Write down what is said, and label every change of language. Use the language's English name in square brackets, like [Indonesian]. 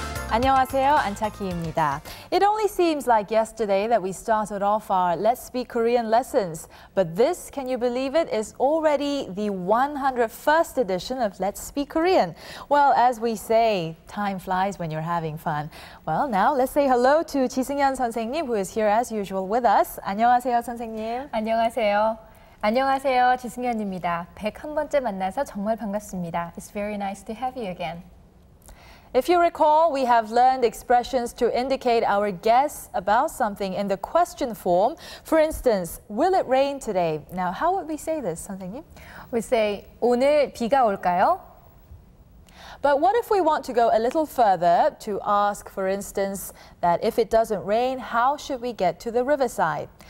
[Korean] 안녕하세요, 안차키입니다. [English] It only seems like yesterday that we started off our Let's Speak Korean lessons. But this, can you believe it, is already the 101st edition of Let's Speak Korean. Well, as we say, time flies when you're having fun. Well, now let's say hello to 지승현 선생님, who is here as usual with us. [Korean] 안녕하세요, 선생님. 안녕하세요. 안녕하세요, 지승현입니다. 101번째 만나서 정말 반갑습니다. [English] It's very nice to have you again. If you recall, we have learned expressions to indicate our guess about something in the question form. For instance, will it rain today? Now, how would we say this, 선생님? We say, [Korean] 오늘 비가 올까요? [English] But what if we want to go a little further to ask, for instance, that if it doesn't rain, how should we get to the riverside?